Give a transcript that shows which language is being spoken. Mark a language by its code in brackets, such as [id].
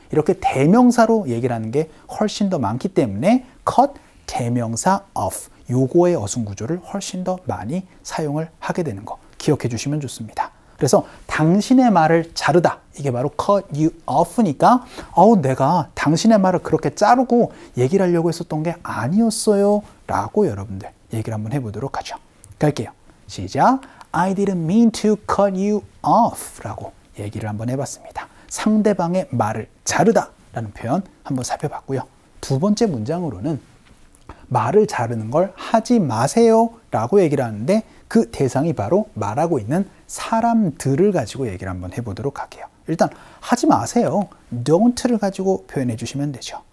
[ko] 이렇게 대명사로 얘기를 하는 게 훨씬 더 많기 때문에 cut 대명사 off, 요거의 어순구조를 훨씬 더 많이 사용을 하게 되는 거 기억해 주시면 좋습니다. 그래서 당신의 말을 자르다, 이게 바로 cut you off니까 내가 당신의 말을 그렇게 자르고 얘기를 하려고 했었던 게 아니었어요 라고 여러분들 얘기를 한번 해보도록 하죠. 갈게요. 시작. [en] I didn't mean to cut you off [ko] 라고 얘기를 한번 해봤습니다. 상대방의 말을 자르다 라는 표현 한번 살펴봤고요. 두 번째 문장으로는 말을 자르는 걸 하지 마세요 라고 얘기를 하는데 그 대상이 바로 말하고 있는 사람들을 가지고 얘기를 한번 해보도록 할게요. 일단 하지 마세요. don't를 가지고 표현해 주시면 되죠.